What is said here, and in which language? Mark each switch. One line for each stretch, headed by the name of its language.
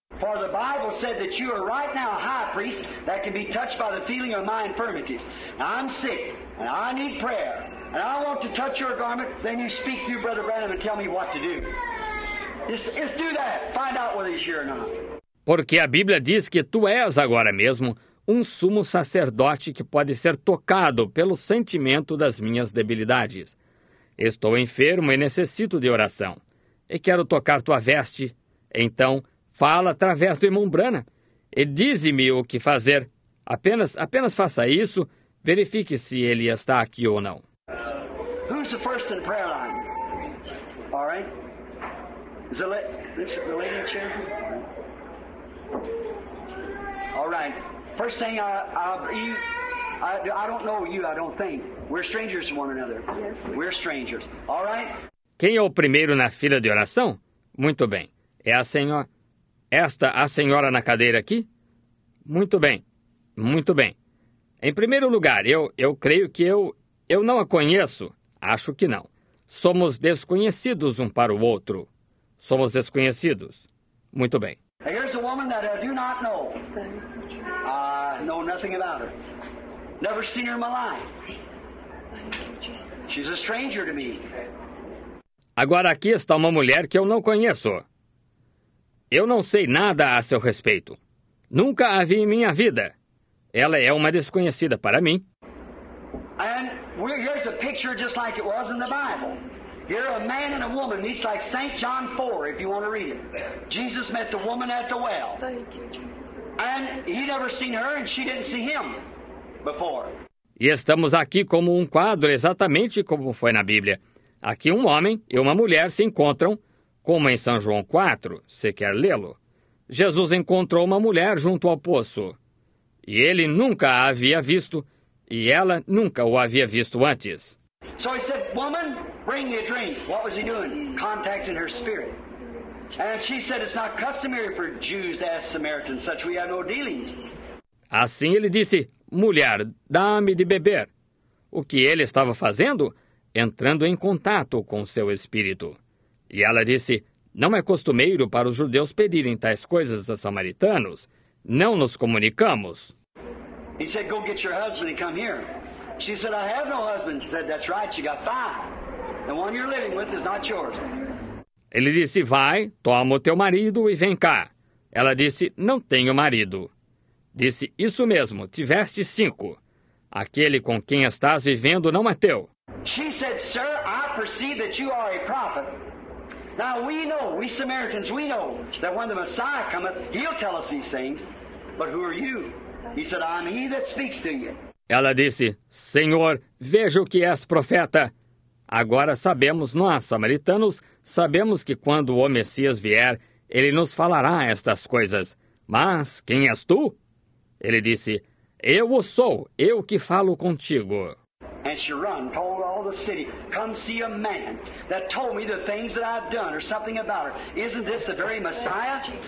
English: For the Bible said that you are right now a high priest that can be touched by the feeling of my infirmities. Now, I'm sick, and I need prayer, and I want to touch your garment, then you speak through Brother Branham and tell me what to do. Just do that. Find out whether he's here or not.
Portuguese: Porque a Bíblia diz que tu és agora mesmo um sumo sacerdote que pode ser tocado pelo sentimento das minhas debilidades. Estou enfermo e necessito de oração, e quero tocar tua veste. Então, fala através do irmão Branham e dize-me o que fazer. Apenas faça isso, verifique se ele está aqui ou não.
English: Who's the first in the prayer line? All right. Is it the lady in the chair? All right. First thing I don't know you, I don't think. We're strangers to one another. Yes. We're strangers. All right.
Portuguese: Quem é o primeiro na fila de oração? Muito bem. É a senhora. Esta, a senhora na cadeira aqui? Muito bem. Muito bem. Em primeiro lugar, eu creio que eu não a conheço. Acho que não. Somos desconhecidos um para o outro. Somos desconhecidos. Muito bem.
English: Here's a woman that I do not know. Know nothing about her. Never seen her in my life. She's a stranger to me.
Portuguese: Agora aqui está uma mulher que eu não conheço. Eu não sei nada a seu respeito. Nunca a vi em minha vida. Ela é uma desconhecida para mim.
English: And here's a picture just like it was in the Bible. Here a man and a woman meets like St. John 4, if you want to read it. Jesus met the woman at the well. Thank you, Jesus. And he never seen her and she didn't see him before.
Portuguese: E estamos aqui como um quadro exatamente como foi na Bíblia. Aqui um homem e uma mulher se encontram. Como em São João 4, se quer lê-lo, Jesus encontrou uma mulher junto ao poço. E ele nunca a havia visto, e ela nunca o havia visto antes.
English: So he said, woman, bring me a drink. What was he doing? Contacting her spirit. And she said, it's not customary for Jews to ask Samaritans, such we have no dealings.
Portuguese: Assim ele disse, mulher, dá-me de beber. O que ele estava fazendo? Entrando em contato com seu espírito. E ela disse, não é costumeiro para os judeus pedirem tais coisas a samaritanos. Não nos comunicamos.
English: He said, go get your husband and come here. She said, I have no husband. He said, that's right, you got five. The one you're living with is not yours.
Portuguese: Ele disse, vai, toma o teu marido e vem cá. Ela disse, não tenho marido. Disse, isso mesmo, tiveste 5. Aquele com quem estás vivendo não é teu.
English: She said, sir, I perceive that you are a prophet. Now we know, we Samaritans, we know that when the Messiah cometh, he'll tell us these things. But who are you? He said, I'm he that speaks to you.
Portuguese: Ela disse, Senhor, vejo que és profeta. Agora sabemos nós, samaritanos, sabemos que quando o Messias vier, ele nos falará estas coisas. Mas quem és tu? Ele disse, eu o sou, eu que falo contigo.
English: And she run, told all the city, come see a man that told me the things that I've done or something about her. Isn't this the very Messiah?